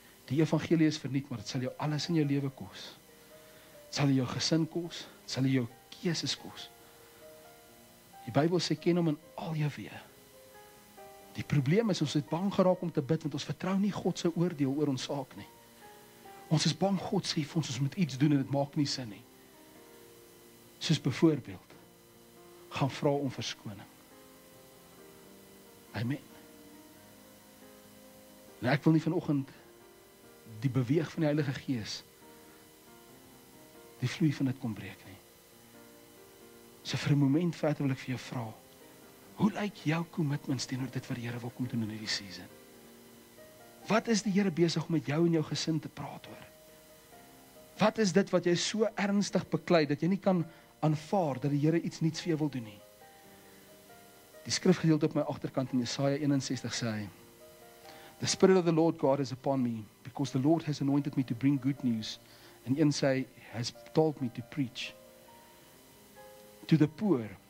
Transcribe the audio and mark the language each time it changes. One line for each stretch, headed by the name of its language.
Afrikaans: Die evangelie is verniet, maar het sal jou alles in jou lewe kos. Het sal jou gesin kos, het sal jou keuses kos. Die Bybel sê, ken hom in al jou weë. Die probleem is, ons het bang geraak om te bid, want ons vertrou nie God sy oordeel oor ons saak nie. Ons is bang God sê vir ons, ons moet iets doen en het maak nie sin nie. Soos bijvoorbeeld, gaan vra om verskoning. Amen. En ek wil nie vanochtend die beweeg van die Heilige Gees die vloei van dit kom breek nie. So vir 'n moment verder wil ek vir jou vra, hoe lyk jou commitments teenoor dit wat die Here wil kom doen in hierdie season? Wat is die Here besig om met jou en jou gesin te praat oor? Wat is dit wat jy so ernstig beklei dat jy nie kan aanvaar dat die Here iets niets vir jou wil doen nie? Die skrifgedeelte op my agterkant in Jesaja 61 sê,
English: the Spirit of the Lord God is upon me, because the Lord has anointed me to bring good news, and in sy has told me to preach to the poor.